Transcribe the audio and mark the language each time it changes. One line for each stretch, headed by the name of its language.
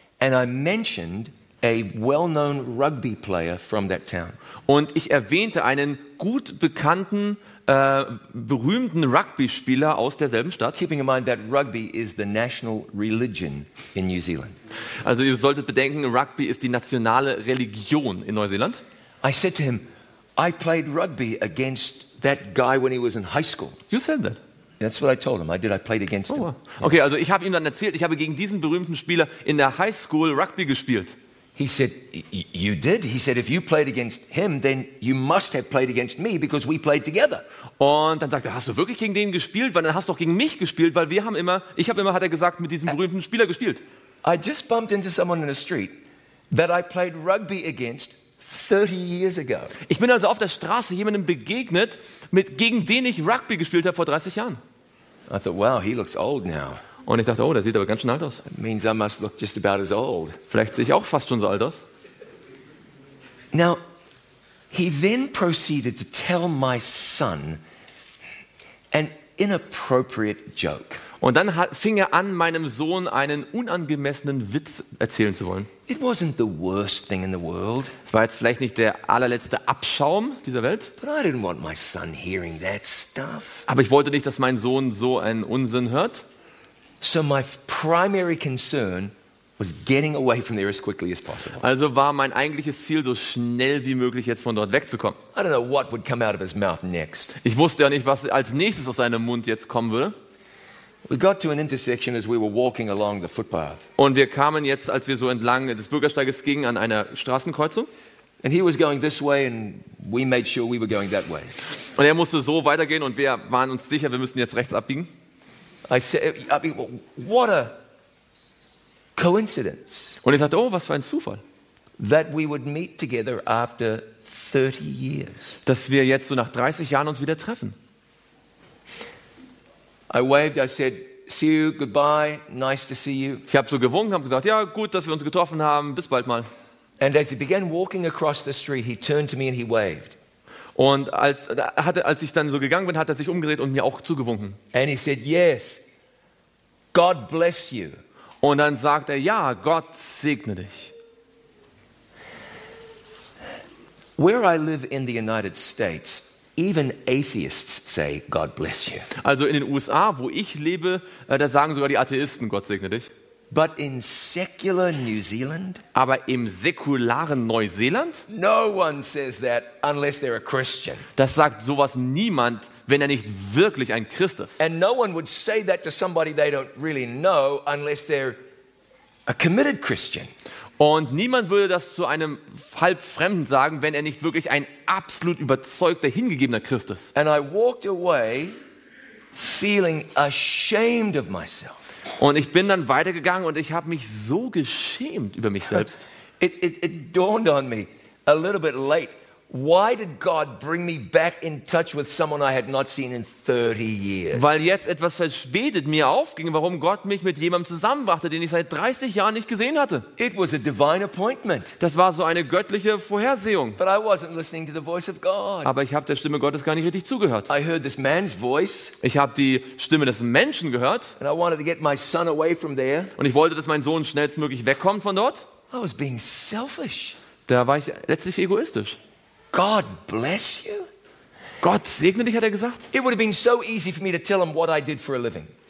English: And I mentioned a well-known rugby player from that town.
German: Und ich erwähnte einen gut bekannten, berühmten Rugby-Spieler aus derselben Stadt.
English: Keeping in mind that rugby is the national religion in New Zealand.
German: Also ihr solltet bedenken, Rugby ist die nationale Religion in Neuseeland.
English: I said to him, I played rugby against that guy when he was in high school. You said that. That's what I told him. I did. I played against him.
German: Okay, also ich habe ihm dann erzählt, ich habe gegen diesen berühmten Spieler in der High School Rugby gespielt.
English: He said, "You did." He said, "If you played against him, then you must have played against me because we played together."
German: Und dann sagte er, hast du wirklich gegen den gespielt? Weil dann hast du doch gegen mich gespielt, weil wir haben immer, ich habe immer, hat er gesagt, mit diesem berühmten Spieler gespielt.
English: I just bumped into someone in the street that I played rugby against 30 years ago.
German: Ich bin also auf der Straße jemandem begegnet, mit gegen den ich Rugby gespielt habe vor 30 Jahren.
English: I thought, wow, he looks old now.
German: Und ich dachte, oh, der sieht aber ganz schön alt aus.
English: It means I must look just about as old.
German: Vielleicht sehe ich auch fast schon so alt aus.
English: Now, he then proceeded to tell my son an inappropriate joke.
German: Und dann fing er an, meinem Sohn einen unangemessenen Witz erzählen zu wollen.
English: It wasn't the worst thing in the world.
German: Es war jetzt vielleicht nicht der allerletzte Abschaum dieser Welt.
English: But I didn't want my son hearing that stuff.
German: Aber ich wollte nicht, dass mein Sohn so einen Unsinn hört.
English: So my primary concern was getting away from there as quickly as possible.
German: Also war mein eigentliches Ziel, so schnell wie möglich jetzt von dort wegzukommen.
English: I don't know what would come out of his mouth next.
German: Ich wusste ja nicht, was als nächstes aus seinem Mund jetzt kommen würde.
English: We got to an intersection as we were walking along the footpath.
German: Und wir kamen jetzt, als wir so entlang des Bürgersteiges gingen, an einer Straßenkreuzung.
English: And he was going this way, and we made sure we were going that way.
German: Und er musste so weitergehen, und wir waren uns sicher, wir müssen jetzt rechts abbiegen.
English: I mean, what a coincidence!
German: Und ich sagte, oh, was für ein Zufall!
English: That we would meet together after 30 years.
German: Dass wir jetzt so nach 30 Jahren uns wieder treffen.
English: I waved, I said, "See you, goodbye, nice to see you."
German: Ich habe so gewunken, habe gesagt, ja, gut, dass wir uns getroffen haben, bis bald mal.
English: And as he began walking across the street, he turned to me and he waved.
German: Und als ich dann so gegangen bin, hat er sich umgedreht und mir auch zugewunken.
English: And he said, "Yes, God bless you."
German: Und dann sagt er, ja, Gott segne dich.
English: Where I live in the United States, even atheists say God bless you.
German: Also in den USA, wo ich lebe, da sagen sogar die Atheisten Gott segne dich.
English: But in secular New Zealand?
German: Aber im säkularen Neuseeland?
English: No one says that unless they're a Christian.
German: Das sagt sowas niemand, wenn er nicht wirklich ein Christ ist.
English: And no one would say that to somebody they don't really know unless they're a committed Christian.
German: Und niemand würde das zu einem Halbfremden sagen, wenn er nicht wirklich ein absolut überzeugter, hingegebener Christ ist.
English: And I walked away feeling ashamed of myself.
German: Und ich bin dann weitergegangen und ich habe mich so geschämt über mich selbst.
English: It dawned on me a little bit late Why did God bring me back in touch with someone I had not seen in 30 years?
German: Weil jetzt etwas verspätet mir aufging, warum Gott mich mit jemandem zusammenbrachte, den ich seit 30 Jahren nicht gesehen hatte.
English: It was a divine appointment.
German: Das war so eine göttliche Vorhersehung.
English: But I wasn't listening to the voice of God.
German: Aber ich habe der Stimme Gottes gar nicht richtig zugehört.
English: I heard this man's voice.
German: Ich habe die Stimme des Menschen gehört.
English: And I wanted to get my son away from there.
German: Und ich wollte, dass mein Sohn schnellstmöglich wegkommt von dort.
English: I was being selfish.
German: Da war ich letztlich egoistisch.
English: God bless you.
German: Gott segne dich, hat er gesagt.
English: It would have been so easy for me to tell him what I did for a living.